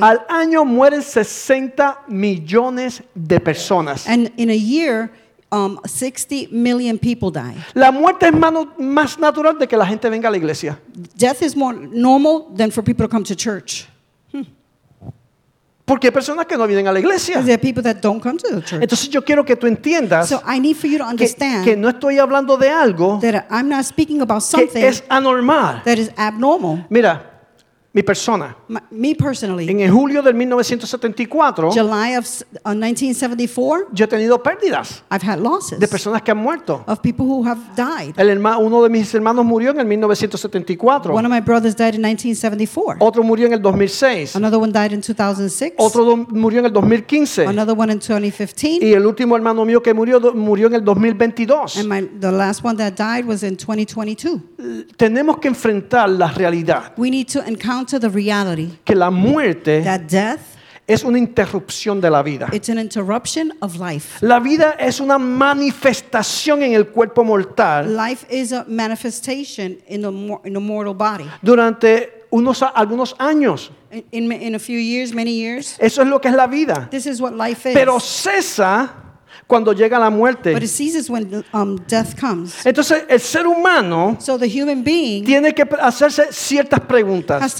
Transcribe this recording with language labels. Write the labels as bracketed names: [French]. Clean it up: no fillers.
[Spanish] Al año mueren 60 millones de personas. [English] And in a year. 60 million people die. [Spanish] La muerte es más natural de que la gente venga a la iglesia. [English] Death is more normal than for people to come to church. [Spanish] Porque hay personas que no vienen a la iglesia. [English] There are people that don't come to the church. [Spanish] Entonces yo quiero que tú entiendas. [English] So I need for you to understand [Spanish] que no estoy hablando de algo [English] that I'm not speaking about something [Spanish] que es anormal. [English] That is abnormal. [Spanish] Mira, mi persona. [English] Me personally. [Spanish] En el julio del 1974. [English] July of 1974. [Spanish] Yo he tenido pérdidas. [English] I've had losses. [Spanish] De personas que han muerto. [English] Of people who have died. [Spanish] Uno de mis hermanos murió en el 1974. [English] One of my brothers died in 1974. [Spanish] Otro murió en el 2006. [English] Another one died in 2006. [Spanish] Otro murió en el 2015. [English] Another one in 2015. [Spanish] Y el último hermano mío que murió en el 2022. [English] And the last one that died was in 2022. [Spanish] Tenemos que enfrentar la realidad. [English] We need to encounter the reality [Spanish] que la muerte [English] that death [Spanish] es una interrupción de la vida. [English] It's an interruption of life. [Spanish] La vida es una manifestación en el cuerpo mortal. [English] Life is a manifestation in a mortal body. [Spanish] Durante algunos años. [English] In a few years, many years. [Spanish] Eso es lo que es la vida. [English] This is what life is. [Spanish] Pero cesa cuando llega la muerte. [English] But it ceases when death comes. [Spanish] Entonces el ser humano, [English] so the human being, [Spanish] tiene que hacerse ciertas preguntas.